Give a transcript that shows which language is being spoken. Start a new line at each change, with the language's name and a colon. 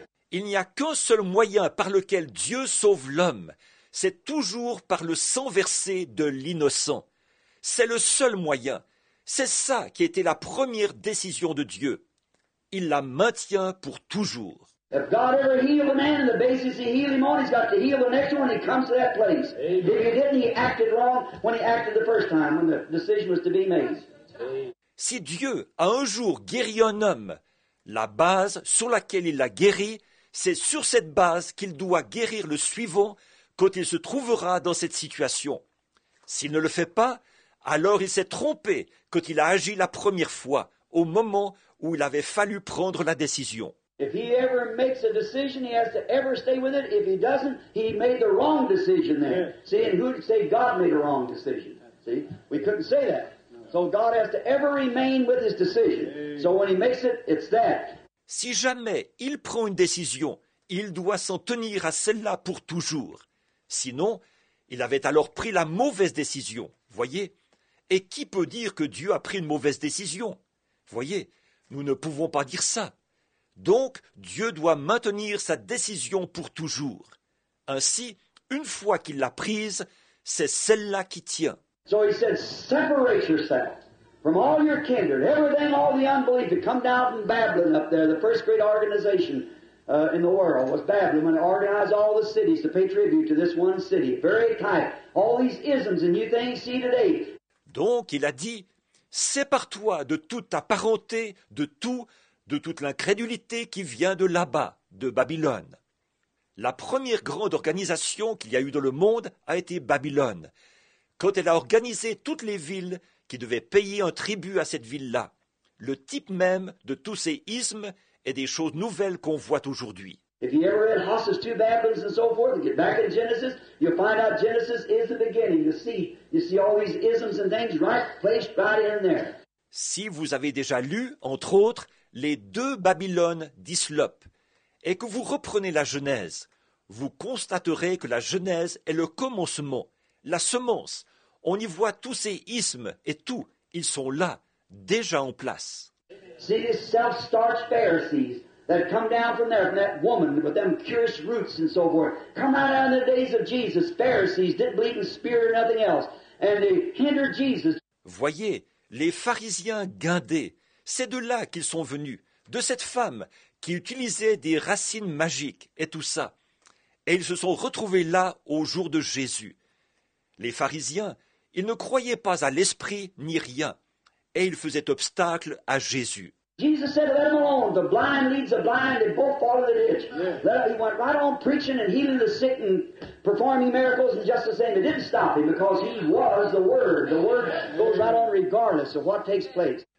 French: Il n'y a qu'un seul moyen par lequel Dieu sauve l'homme. C'est toujours par le sang versé de l'innocent. C'est le seul moyen. C'est ça qui était la première décision de Dieu. Il la maintient pour toujours.
English: If God ever healed a man, the basis he healed him on, he's got to heal the next one when he comes to that place. Amen. If he didn't, he acted wrong when he acted the first time when the decision was to be made. Amen.
French: Si Dieu a un jour guéri un homme, la base sur laquelle il l'a guéri, c'est sur cette base qu'il doit guérir le suivant quand il se trouvera dans cette situation. S'il ne le fait pas, alors il s'est trompé quand il a agi la première fois, au moment où il avait fallu prendre la décision.
English: If he ever makes a decision, he has to ever stay with it. If he doesn't, he made the wrong decision then. See, and who'd say God made a wrong decision? See, we couldn't say that. So God has to ever remain with his decision. So when he makes it, it's that.
French: Si jamais il prend une décision, il doit s'en tenir à celle-là pour toujours. Sinon, il avait alors pris la mauvaise décision, voyez. Et qui peut dire que Dieu a pris une mauvaise décision? Voyez, nous ne pouvons pas dire ça. Donc, Dieu doit maintenir sa décision pour toujours. Ainsi, une fois qu'il l'a prise, c'est celle-là qui tient.
English: So he said, separate yourself from all your kindred, everything, all the unbelief. It come down from Babylon up there, the first great organization in the world was Babylon, when it organized all the cities to pay tribute to this one city, very tight, all these isms and new things you see today.
French: Donc, il a dit, sépare-toi de toute ta parenté, de tout, de toute l'incrédulité qui vient de là-bas, de Babylone. La première grande organisation qu'il y a eu dans le monde a été Babylone, quand elle a organisé toutes les villes qui devaient payer un tribut à cette ville-là, le type même de tous ces ismes et des choses nouvelles qu'on voit aujourd'hui.
English: If you ever read Hoss's Two Babylons and so forth, and get back in Genesis, you'll find out Genesis is the beginning. You see all these isms and things right placed right in there.
French: Si vous avez déjà lu, entre autres, les deux Babylones d'Islop, et que vous reprenez la Genèse, vous constaterez que la Genèse est le commencement, la semence. On y voit tous ces ismes et tout. Ils sont là, déjà en place.
English: See these self-starched Pharisees that come down from there, from that woman with them curious roots and so forth. Come out in the days of Jesus. Pharisees didn't believe in spirit or nothing else. And they hindered Jesus.
French: Voyez, les pharisiens guindés, c'est de là qu'ils sont venus, de cette femme qui utilisait des racines magiques et tout ça. Et ils se sont retrouvés là au jour de Jésus. Les pharisiens, ils ne croyaient pas à l'esprit ni rien. Et ils faisaient obstacle à Jésus.
English: Jesus said, let them alone. The blind leads the blind. They both fall in the ditch. He went right on preaching and healing the sick and performing miracles and just the same. It didn't stop him because he was the Word. The Word goes right on regardless of what takes place.